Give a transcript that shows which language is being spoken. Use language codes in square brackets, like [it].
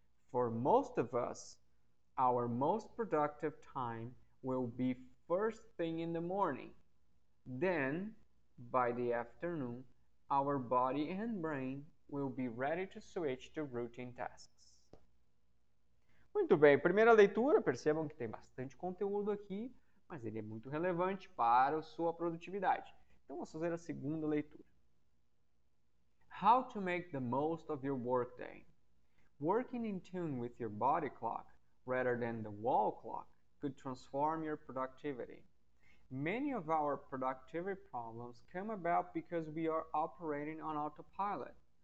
[en] For most of us, our most productive time will be first thing in the morning. Then, by the afternoon, our body and brain will be ready to switch to routine tasks. [pt] Muito bem, primeira leitura, percebam que tem bastante conteúdo aqui, mas ele é muito relevante para a sua produtividade. Então, vamos fazer a segunda leitura. [en] How to make the most of your workday. Working in tune with your body clock rather than the wall clock could transform your productivity. Many of our productivity problems come about because we are operating on autopilot.